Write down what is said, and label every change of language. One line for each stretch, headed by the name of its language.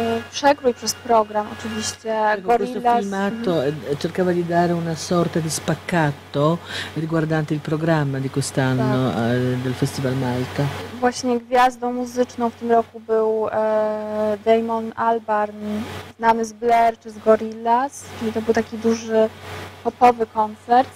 Polish: Przekrój przez program, oczywiście, gorilla.
Italian: Cercava di dare una sorta di spaccato riguardante il programma di quest'anno,
Polish: tak,
Italian: del Festival Malta.
Polish: Właśnie gwiazdą muzyczną w tym roku był Damon Albarn, znany z Blair czy z Gorillaz, czyli to był taki duży popowy koncert.